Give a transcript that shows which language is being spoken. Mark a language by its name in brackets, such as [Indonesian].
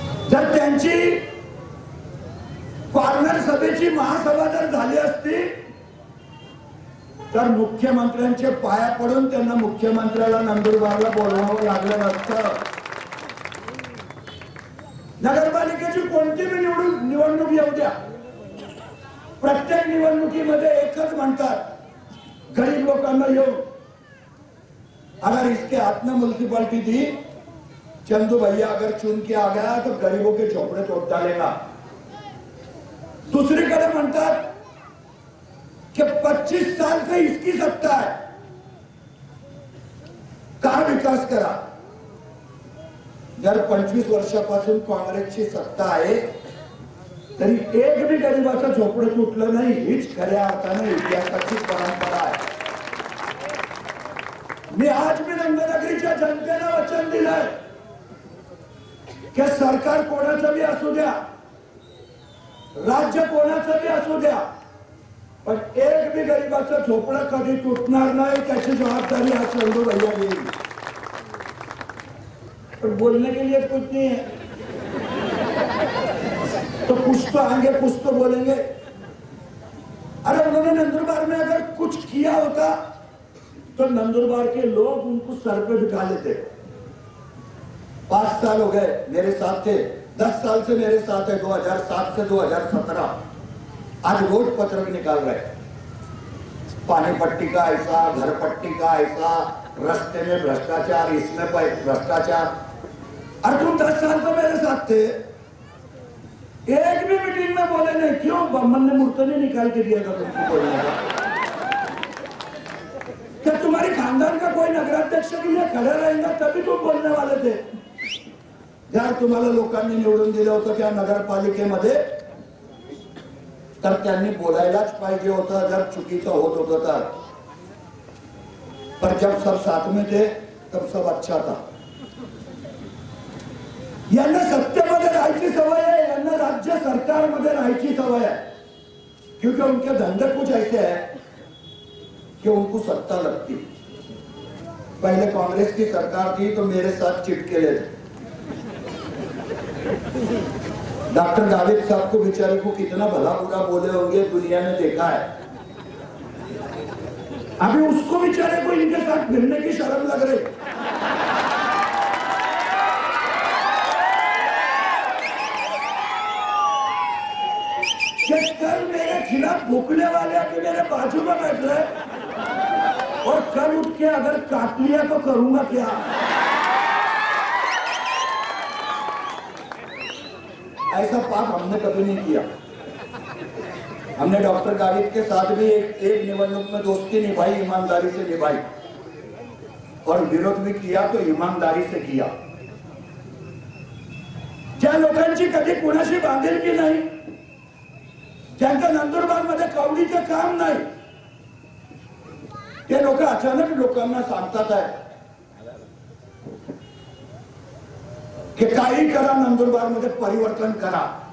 [Marathi] जर त्यांची कॉर्नर सभेची महासभा जर झाली असती तर मुख्यमंत्र्यांचे पाया पडून त्यांना मुख्यमंत्र्याला नंदुरबारला बोलवावं लागलं असतं. नगरपालिकेची कोणतीही निवडणूक येऊ द्या, प्रत्येक निवडणुकीमध्ये एकच म्हणतात गरीब लोकांना येऊ. [Hindi] अगर इसके आत्मा म्युनिसिपालिटी दी चंदू भैया अगर चुन के आ गया तो गरीबों के झोपड़े तोड़ डालेगा. [Marathi] दूसरीकडे म्हणतात कि [Hindi] 25 साल से इसकी सत्ता है, [Marathi] का विकास करा. जर 25 वर्षापासून काँग्रेसची सत्ता आहे तरी एक भी गरीबाचं झोपडं तुटलं नाही, हीच खऱ्या अर्थाने इतिहासाची परंपरा आहे. मी आज मी रंगनगरीच्या जनतेला वचन दिलंय की सरकार कोणाचं भी असू द्या, राज्य कोणाचं भी असू द्या, पण एक भी गरीबाचं झोपडं कधी तुटणार नाही त्याची जबाबदारी आज चंदू भैया घेईल. पण बोलणे केली आहेत कुठ नाही तो पुष्प [Hindi] आगे पुष्प बोलेंगे. अरे उन्होंने नंदुरबार में अगर कुछ किया होता तो नंदुरबार के लोग उनको सर पे बिठा लेते. 5 साल हो गए मेरे साथ थे, 10 साल से मेरे साथ है, 2007 से 2017 आज रोज पत्र भी निकाल रहे. पानी पट्टी का ऐसा, घर पट्टी का ऐसा, रस्ते में भ्रष्टाचार, इसमें भ्रष्टाचार. अरे तुम 10 साल तो मेरे साथ थे, एक भी मीटिंग में बोले नहीं. क्यों? ब्राह्मण ने मूर्त नहीं निकाल के दिया था तुमको बोलने का? क्या तुम्हारे खानदान का कोई नगराध्यक्ष भी यहाँ खड़ा रहेगा तभी तुम बोलने वाले थे? [Marathi] यार तुम्हारा लोकांनी निवडून दिलं होतं त्या नगरपालिकेमध्ये तर त्यांनी बोलायलाच पाहिजे होतं जर चुकीचं होत होत तर. [Hindi] पर जब सब साथ में थे तब सब अच्छा था. [Marathi] यांना सत्तेमध्ये राहायची सवय आहे, यांना राज्य सरकारमध्ये राहायची सवय आहे. [Hindi] क्योंकि उनके धंदे कुछ ऐसे है कि उनको सत्ता लगती. पहले कांग्रेस की सरकार थी तो मेरे साथ चिटके ले डॉक्टर जावेद साहब को बेचारे को कितना भला बुरा बोले होंगे दुनिया ने देखा है. अभी उसको बेचारे को इनके साथ मिलने की शर्म लग रही. जस्ट सिर्फ भूखने वाले अभी मेरे बाजू में बैठ रहे, और कल उठ के अगर काट लिया तो करूंगा क्या? ऐसा पाप हमने कभी नहीं किया। हमने डॉक्टर गावित के साथ भी एक निवडणूक में दोस्ती निभाई, ईमानदारी से निभाई, और विरोध भी किया तो ईमानदारी से किया। [Marathi] ज्या लोकांची कधी कुणाशी बांधिलकी नाही, ज्यांचं नंदुरबार मध्ये कवडीचं काम नाही, ते लोक अचानक लोकांना सांगतात आहे की काही करा, नंदुरबार मध्ये परिवर्तन करा।